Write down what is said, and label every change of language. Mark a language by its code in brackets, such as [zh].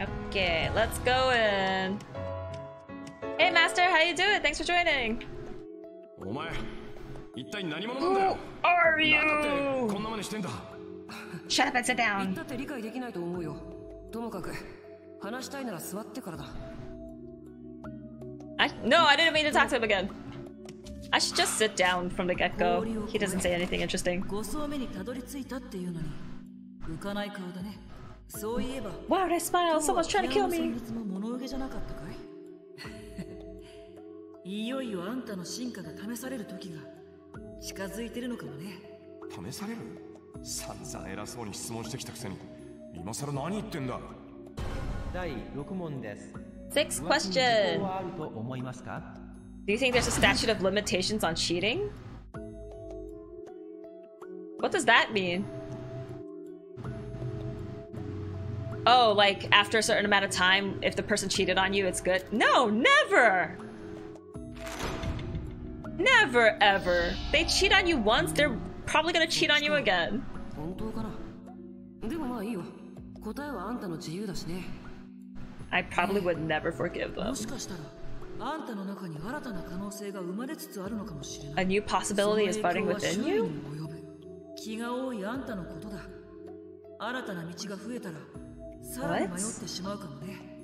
[en] Okay, let's go in. Hey Master, how you doing? Thanks for joining. [ja] お前一体何者なんだよ。 [en] Who are you? [ja] なんだってこんな真似してんだ。 [en] Shut up and sit down. [ja] 言ったって理解できないと思うよ。ともかく話したいなら座ってからだ。 [en] No, I didn't mean to talk to him again. I should just sit down from the get-go. He doesn't say anything interesting. [ja] 5層目にたどり着いたっていうのに浮かない顔だね。そういえば、 [en] Wow, that smile. Someone's trying to kill me. [ja] 今日は部屋の存立も物受けじゃなかったかい。いよいよあんたの進化が試される時が近づいてるのかもね。試される？散々偉そうに質問してきたくせに今さら何言ってんだ。第6問です。 [en] Sixth question。 Do you think there's a statute of limitations on cheating? What does that mean? Oh, like after a certain amount of time, if the person cheated on you, it's good? No, never! Never ever! They cheat on you once, they're probably gonna cheat on you again. [ja] 本当かな。でもまあいいよ。答えはあんたの自由だしね。 [en] I probably would never forgive them. [ja] もしかしたらあんたの中に新たな可能性が生まれつつあるのかもしれない。 [en] A new possibility is budding within you. [ja] 気が多いあんたのことだ。新たな道が増えたらさらに迷ってしまうかもね。